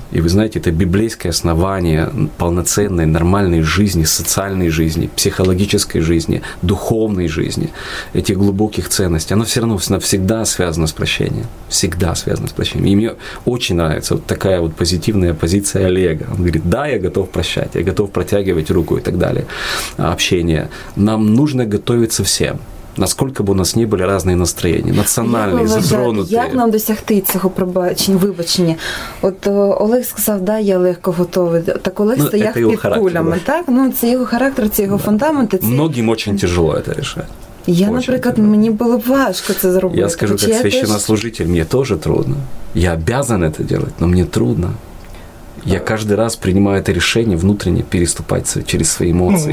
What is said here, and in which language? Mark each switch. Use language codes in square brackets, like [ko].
[ru] И вы знаете, это библейское основание полноценной, нормальной жизни, социальной жизни, психологической жизни, духовной жизни, этих глубоких ценностей. Оно все равно навсегда связано с прощением. Всегда связано с прощением. И мне очень нравится вот такая вот позитивная позиция Олега. Он говорит, да, я готов прощать, я готов протягивать руку и так далее. Общение. Нам нужно готовиться всем. [uk] Наскільки б у нас не були різні настроєння, національні, затронуті. Як нам досягти цього вибачення? От Олег сказав, да, я легко готовий. Так Олег стояв під кулями, так? Ну, це його характер, це його фундамент. [ru] Многим очень тяжело это решать. Я, например, мне было важко это сделать. Я скажу, как священнослужитель, мне тоже трудно. Я обязан это делать, но мне трудно. Я каждый раз принимаю это решение внутренне переступать через свои эмоции.